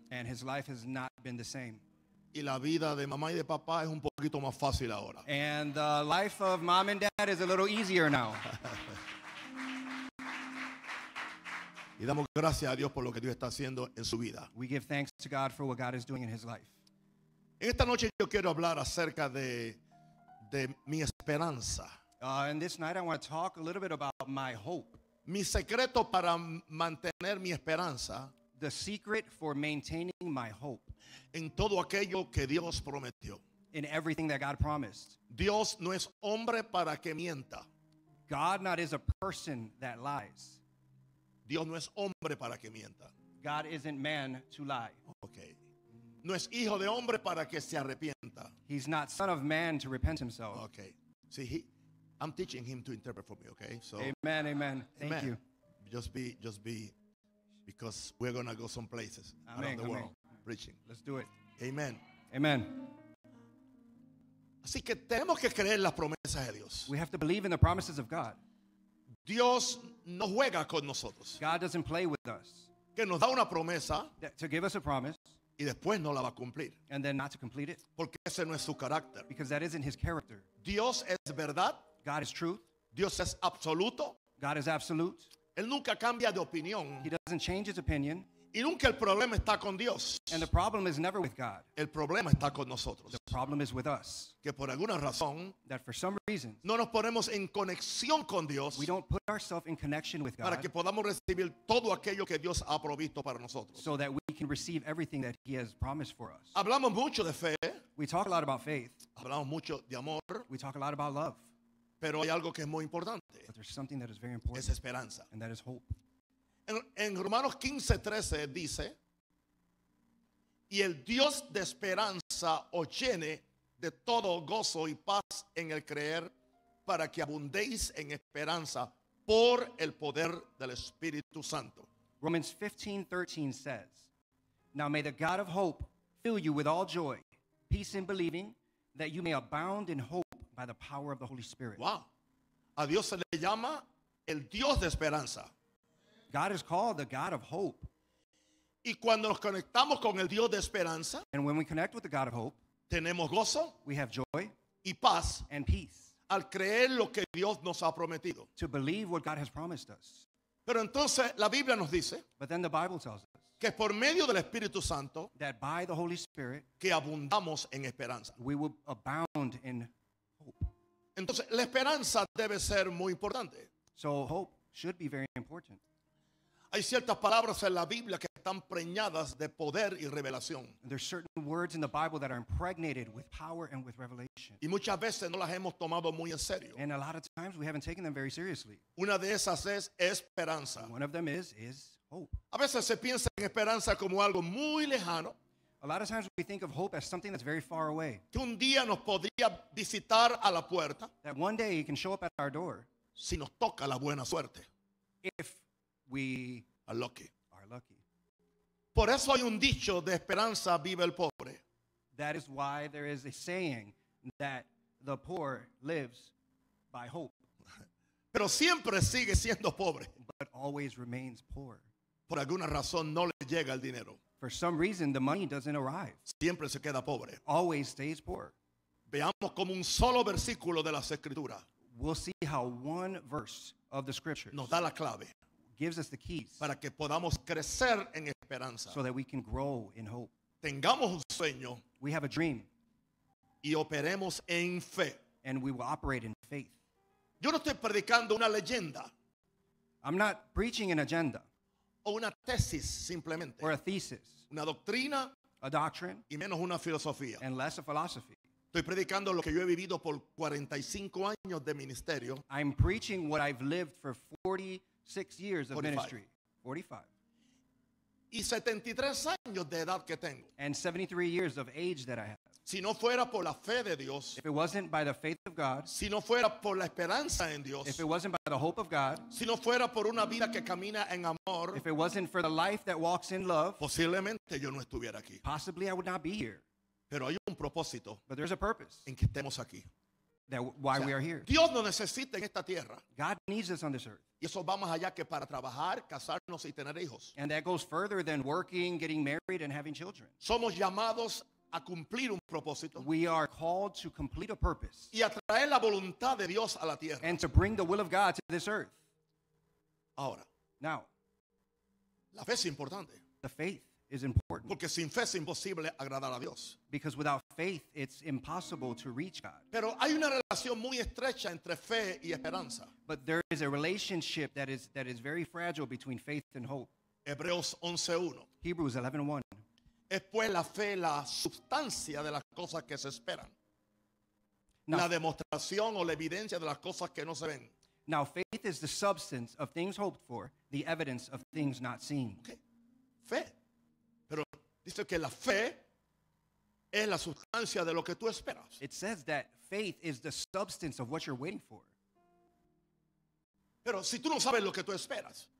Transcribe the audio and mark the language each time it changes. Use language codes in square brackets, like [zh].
[en] And his life has not been the same. [es] Y la vida de mamá y de papá es un poquito más fácil ahora. [en] And the life of mom and dad is a little easier now. [es] Y damos gracias a Dios por lo que Dios está haciendo en su vida. [en] We give thanks to God for what God is doing in his life. [es] En esta noche yo quiero hablar acerca de mi esperanza. [en] And this night I want to talk a little bit about my hope. [es] Mi secreto para mantener mi esperanza. [en] The secret for maintaining my hope. [es] En todo aquello que Dios prometió. [en] In everything that God promised. [es] Dios no es hombre para que mienta. [en] God not is a person that lies. [es] Dios no es hombre para que mienta. [en] God isn't man to lie. Okay. [es] No es hijo de hombre para que se arrepienta. [en] He's not son of man to repent himself. Okay. See, I'm teaching him to interpret for me, okay? So, amen, amen. Thank amen. You. Just be, because we're going to go some places amen, around the amen. World preaching. Let's do it. Amen. Amen. [es] Así que tenemos que creer las promesas de Dios. [en] We have to believe in the promises of God. [es] Dios no juega con nosotros. [en] God doesn't play with us. [es] Que nos da una promesa. [en] To give us a promise. [es] Y después no la va a cumplir. [en] And then not to complete it. [es] Porque ese no es su carácter. [en] Because that isn't his character. [es] Dios es verdad. [en] God is truth. [es] Dios es absoluto. [en] God is absolute. [es] Él nunca cambia de opinión. [en] He doesn't change his opinion. [es] Y nunca el problema está con Dios. [en] And the problem is never with God. [es] El problema está con nosotros. [en] The problem is with us. [es] Que por alguna razón. [en] That for some reason. [es] No nos ponemos en conexión con Dios. [en] We don't put ourselves in connection with God. [es] Para que podamos recibir todo aquello que Dios ha provisto para nosotros. [en] So that we can receive everything that he has promised for us. [es] Hablamos mucho de fe. [en] We talk a lot about faith. [es] Hablamos mucho de amor. [en] We talk a lot about love. [es] Pero hay algo que es muy importante. [en] But there's something that is very important. [es] Es esperanza. [en] And that is hope. [es] En Romanos 15:13 dice, y el Dios de esperanza os llene de todo gozo y paz en el creer para que abundéis en esperanza por el poder del Espíritu Santo. [en] Romans 15:13 says, now may the God of hope fill you with all joy, peace in believing, that you may abound in hope by the power of the Holy Spirit. Wow. [es] A Dios se le llama el Dios de esperanza. [en] God is called the God of hope. [es] Y cuando nos conectamos con el Dios de esperanza, [en] and when we connect with the God of hope, [es] tenemos gozo, [en] we have joy, [es] y paz, [en] and peace, [es] al creer lo que Dios nos ha prometido, [en] to believe what God has promised us. [es] Pero entonces la Biblia nos dice, [en] but then the Bible tells us, [es] que por medio del Espíritu Santo, [en] that by the Holy Spirit, [es] que abundamos en esperanza, [en] we will abound in hope. [es] Entonces la esperanza debe ser muy importante. [en] So hope should be very important. [es] Hay ciertas palabras en la Biblia que están preñadas de poder y revelación. [en] There are certain words in the Bible that are impregnated with power and with revelation. [es] Y muchas veces no las hemos tomado muy en serio. [en] And a lot of times we haven't taken them very seriously. [es] Una de esas es esperanza. [en] One of them is hope. [es] A veces se piensa en esperanza como algo muy lejano. [en] A lot of times we think of hope as something that's very far away. [es] Que un día nos podría visitar a la puerta. [en] That one day he can show up at our door. [es] Si nos toca la buena suerte. [en] If we are lucky. Are lucky. [es] Por eso hay un dicho de esperanza vive el pobre. [en] That is why there is a saying that the poor lives by hope. [es] Pero siempre sigue siendo pobre. [en] But always remains poor. [es] Por alguna razón no le llega el dinero. [en] For some reason the money doesn't arrive. [es] Siempre se queda pobre. [en] Always stays poor. [es] Veamos como un solo versículo de las Escrituras. [en] We'll see how one verse of the scriptures [es] nos da la clave. [en] Gives us the keys [es] para que podamos crecer en esperanza. [en] So that we can grow in hope. [es] Tengamos un sueño. [en] We have a dream. [es] Y operemos en fe. [en] And we will operate in faith. [es] Yo no estoy predicando una leyenda. [en] I'm not preaching an agenda. [es] O una tesis simplemente. [en] Or a thesis. [es] Una doctrina. [en] A doctrine. [es] Y menos una filosofía. [en] And less a philosophy. [es] Estoy predicando lo que yo he vivido por 45 años de ministerio. [en] I'm preaching what I've lived for 46 years of 45. Ministry. 45. [es] Y 73 años de edad que tengo. [en] And 73 years of age that I have. [es] Si no fuera por la fe de Dios. [en] If it wasn't by the faith of God. [es] Si no fuera por la esperanza en Dios. [en] If it wasn't by the hope of God. [es] Si no fuera por una vida que camina en amor. [en] If it wasn't for the life that walks in love. [es] Posiblemente yo no estuviera aquí. [en] Possibly I would not be here. [es] Pero hay un propósito. [en] But there's a purpose. [es] En que estemos aquí. [en] That why, [es] o sea, [en] we are here. [es] Dios nos necesita en esta tierra. [en] God needs us on this earth. [es] Y eso va más allá que para trabajar, casarnos y tener hijos. [en] And that goes further than working, getting married, and having children. [es] Somos llamados a cumplir un propósito. [en] We are called to complete a purpose. [es] Y a traer la voluntad de Dios a la tierra. [en] And to bring the will of God to this earth. [es] Ahora. [en] Now. [es] La fe es importante. [en] The faith is important. [es] Porque sin fe es imposible agradar a Dios. [en] Because without faith, it's impossible to reach God. [es] Pero hay una relación muy estrecha entre fe y esperanza. [en] But there is a relationship that is very fragile between faith and hope. [es] Hebreos 11:1. [en] Hebrews 11:1. [es] Es pues la fe la sustancia de las cosas que se esperan. [en] Now, [es] la demostración o la evidencia de las cosas que no se ven. [en] Now, faith is the substance of things hoped for, the evidence of things not seen. Okay. Fe. [es] Pero dice que la fe es la sustancia de lo que tú esperas. [en] It says that faith is the substance of what you're waiting for. [es] Pero si tú no sabes lo que tú esperas.